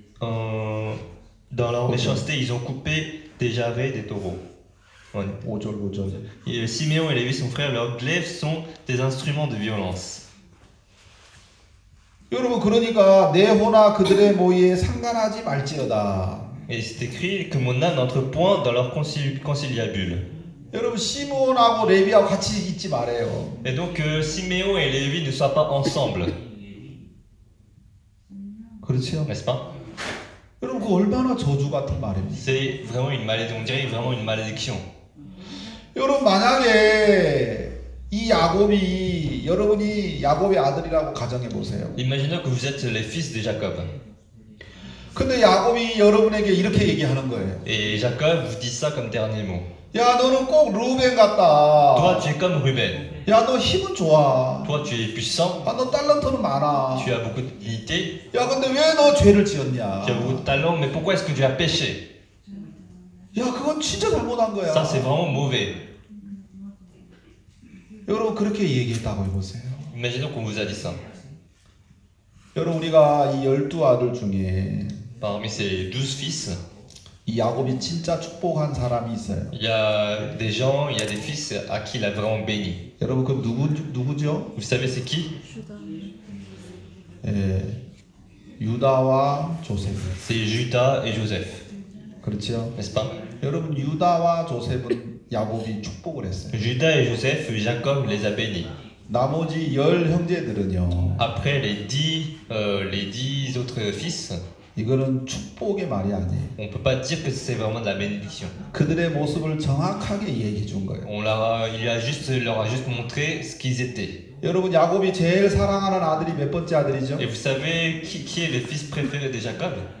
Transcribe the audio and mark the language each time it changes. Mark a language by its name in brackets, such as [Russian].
[French] dans leur méchanceté, ils ont coupé des jarrets des taureaux. Ouais. Et Siméon et Lévi, son frère, leurs glaives sont des instruments de violence. [Korean] 여러분 그러니까 내 혼아 그들의 모의에 상관하지 말지어다. [French] Et c'est écrit que mon âme n'entre point dans leur conciliabule. [Korean] 여러분 시므온하고 레위하고 같이 있지 말아요. [French] Et donc Siméon et Lévi ne soient pas ensemble. [Korean] 그렇죠. [French] N'est-ce pas? [Korean] 여러분 그 얼마나 저주 같은 말입니까? [French] C'est vraiment une malédiction. On dirait vraiment une malédiction. [Korean] 여러분 만약에 이 야곱이 여러분이 야곱의 아들이라고 가정해 보세요. [French] Imagine que vous êtes les fils de Jacob. [Korean] 근데 야곱이 여러분에게 이렇게 얘기하는 거예요. [French] Et Jacob vous dit ça comme dernier mot. [Korean] 야 너는 꼭 루벤 같다. [French] Toi tu es comme Ruben. [Korean] 야 너 힘은 좋아. [French] Toi tu es puissant. [Korean] 아 너 탤런트는 많아. [French] Tu as beaucoup d'habileté. [Korean] 야 근데 왜 너 죄를 지었냐? [French] Tu as beaucoup de talent, mais pourquoi est-ce que tu as péché? [Korean] 야 그건 진짜 잘못한 거야. [French] Ça c'est vraiment mauvais. [Korean] 여러분 그렇게 얘기했다고 해보세요. [French] Imagine qu'on vous a dit ça. [Korean] 여러분 우리가 이 열두 아들 중에 [French] parmi ces douze fils, [Korean] 이 야곱이 진짜 축복한 사람이 있어요. [French] Il y a des gens, il y a des fils à qui il a vraiment béni. [Korean] 여러분 그럼 누구죠? [French] Vous savez c'est qui? [Korean] 예, 유다와 조셉. [French] C'est Judas et Joseph. [Korean] 그렇죠? [French] N'est-ce pas? [Korean] 여러분 유다와 조셉은 야곱이 축복을 했어요. [French] Judas et Joseph, Jacob les a bénis. [Korean] 나머지 열 형제들은요. [French] Après les dix autres fils. [Korean] 이거는 축복의 말이 아니에요. [French] On peut pas dire que c'est vraiment de la bénédiction. [Korean] 그들의 모습을 정확하게 얘기해 준 거예요. [French] On leur a, il leur a juste montré ce qu'ils étaient. [Korean] 여러분 야곱이 제일 사랑하는 아들이 몇 번째 아들이죠? [French] Et vous savez qui est le fils préféré de Jacob?